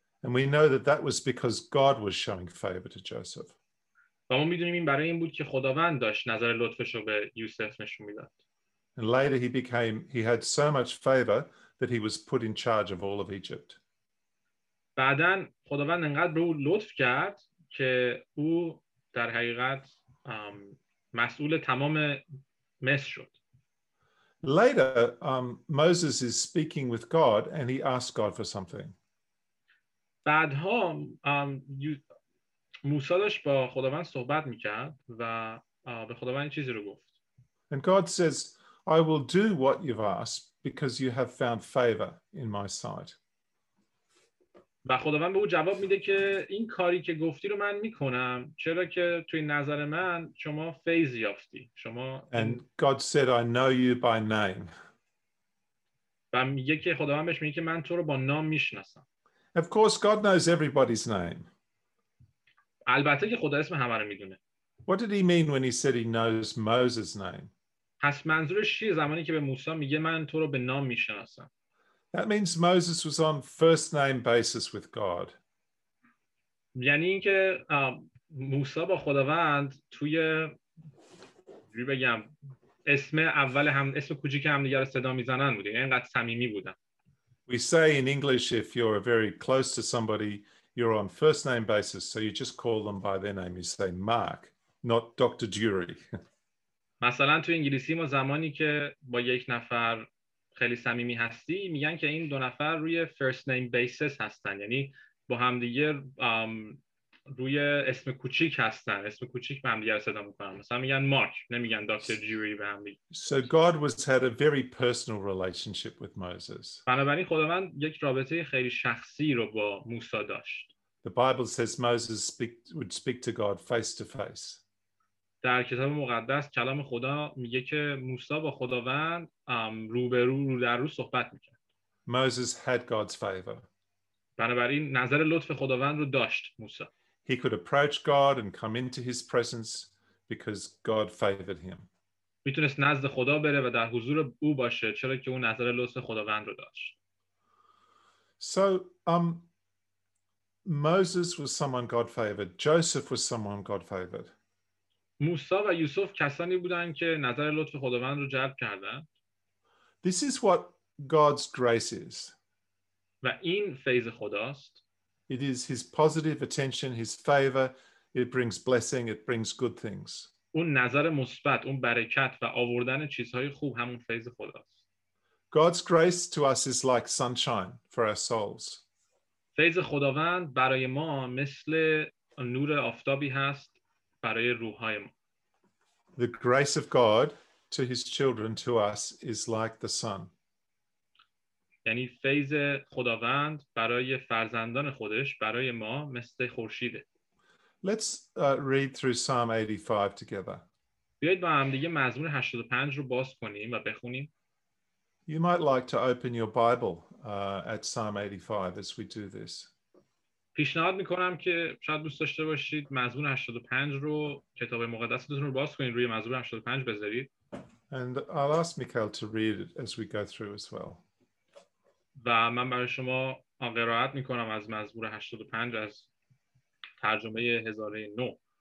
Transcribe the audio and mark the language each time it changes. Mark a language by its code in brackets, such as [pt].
[en] And we know that was because God was showing favor to Joseph. [fa] و ما میدونیم این برای این بود که خداوند داشت نظر لطفش رو به یوسف نشون میداد. [en] And later he had so much favor that he was put in charge of all of Egypt. [fa] بعدن خداوند انقدر به او لطف کرد که او در حقیقت مسئول تمام مصر شد. [en] Later Moses is speaking with God and he asks God for something. [fa] بعدها موسی داشت با خداوند صحبت میکرد و به خداوند چیزی رو گفت. [en] And God says, I will do what you've asked because you have found favor in my sight. [fa] و خداوند به او جواب میده که این کاری که گفتی رو من میکنم، چرا که توی نظر من شما فیض یافتی. شما [en] And God said, I know you by name. [fa] و میگه که خداوند بهش میگه که من تو رو با نام میشناسم. [en] Of course God knows everybody's name. [fa] البته که خدا اسم همه رو میدونه. [en] What did he mean when he said he knows Moses' name? [fa] پس منظورش چیه زمانی که به موسی میگه من تو رو به نام میشناسم؟ [en] That means Moses was on first name basis with God. [fa] یعنی اینکه موسی با خداوند توی چی بگم اسم اول هم اسم کوچیک هم دیگه رو صدا میزنن بوده، یعنی انقدر صمیمی بودن. [en] We say in English if you're very close to somebody you're on first name basis, so you just call them by their name. You say Mark, not Dr. Dury. [fa] مثلا تو انگلیسی ما زمانی که با یک نفر خیلی صمیمی هستی، میگن که این دو نفر روی [en] first name basis [fa] هستن، یعنی با همدیگه روی اسم کوچیک هستن، اسم کوچیک به همدیگه رو صدا میکنن. مثلا میگن Mark، نمیگن Dr. Dury به همدیگه. [en] So God was had a very personal relationship with Moses. [fa] بنابراین خداوند یک رابطه خیلی شخصی رو با موسی داشت. [en] The Bible says Moses would speak to God face to face. [fa] در کتاب مقدس کلام خدا میگه که موسی با خداوند روبرو رو در رو صحبت میکرد. [en] Moses had God's favor. [fa] بنابراین نظر لطف خداوند رو داشت موسی. [en] He could approach God and come into his presence because God favored him. [fa] میتونست نزد خدا بره و در حضور او باشه چرا که او نظر لطف خداوند رو داشت. [en] So Moses was someone God favored. Joseph was someone God favored. [fa] موسی و یوسف کسانی بودند که نظر لطف خداوند رو جلب کردند. [en] This is what God's grace is. [fa] و این فیض خداست. [en] It is his positive attention, his favor. It brings blessing, it brings good things. [fa] اون نظر مثبت، اون برکت و آوردن چیزهای خوب همون فیض خداست. [en] God's grace to us is like sunshine for our souls. [fa] فیض خداوند برای ما مثل نور آفتابی هست برای روح‌های ما. [en] The grace of God to his children, to us, is like the sun. [fa] یعنی فیض خداوند برای فرزندان خودش برای ما مثل خورشیده. [en] Let's read through Psalm 85 together. [fa] بیایید با هم دیگه مزمور 85 رو باز کنیم و بخونیم. [en] You might like to open your Bible at Psalm 85 as we do this. [fa] پیشنهاد میکنم که شاید دوست داشته باشید مزمور 85 رو کتاب مقدستون رو باز کنید روی مزمور 85 بذارید. [en] And I'll ask Mikhail to read it as we go through as well. [fa] و من برای شما قرائت میکنم از مزمور 85 از ترجمه هزاره نو.